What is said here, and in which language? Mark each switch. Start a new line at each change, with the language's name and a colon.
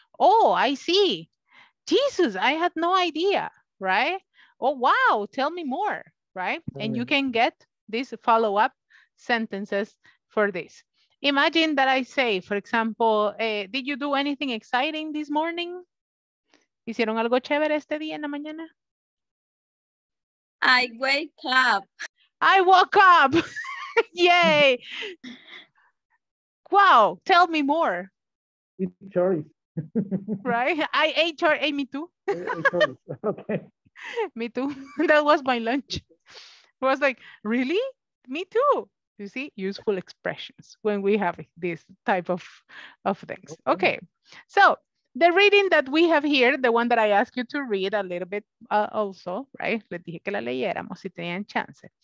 English: Oh, I see. Jesus, I had no idea, right? Oh, wow, tell me more, right? Mm-hmm. And you can get these follow-up sentences for this. Imagine that I say, for example, did you do anything exciting this morning?
Spanish: ¿Hicieron algo chévere este día en la mañana?
English: I wake up. I woke up. Yay. Wow. Tell me more. Eat chori. Right? I ate chori. Hey, me too. Okay. Me too. That was my lunch. I was like, really? Me too. You see, useful expressions when we have this type of things. Okay. So the reading that we have here, the one that I asked you to read a little bit also, right?
Spanish: Les dije que la leyéramos si tenían chance.